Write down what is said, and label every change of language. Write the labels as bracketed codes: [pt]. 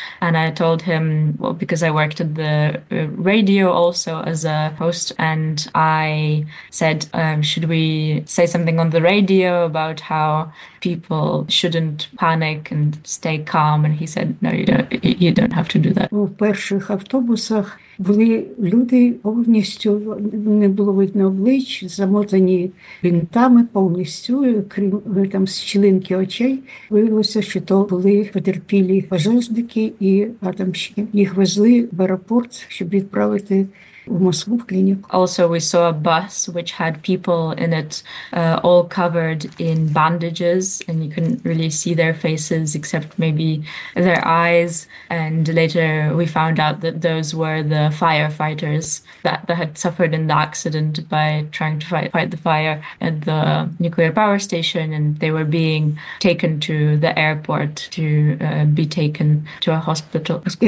[en] And I told him, well, because I worked at the radio also as a host, and I said, should we say something on the radio about how people shouldn't panic and stay calm? And he said, no, you don't have to do that. [uk] У перших автобусах були люди повністю, не було видно облич, замотані бинтами повністю, крім там щілинки очей. Виявилося, що то були потерпілі пожежники і атомщики. Їх везли в аеропорт, щоб відправити [en] Also, we saw a bus which had people in it all covered in bandages, and you couldn't really see their faces except maybe their eyes. And later we found out that those were the firefighters that had suffered in the accident by trying to fight the fire at the nuclear power station, and they were being taken to the airport to be taken to a hospital.